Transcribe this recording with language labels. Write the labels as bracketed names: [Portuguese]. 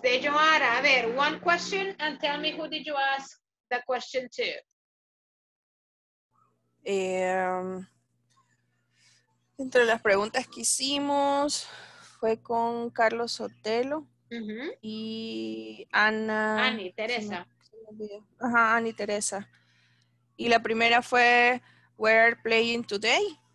[English] De Joara, [Spanish] a ver, [English] one question and tell me who did you ask the question to? [Spanish] Entre las preguntas que hicimos fue con Carlos Sotelo y Ana. Ani Teresa. Ajá, Ani Teresa. Y la primera fue, [English] where are playing today?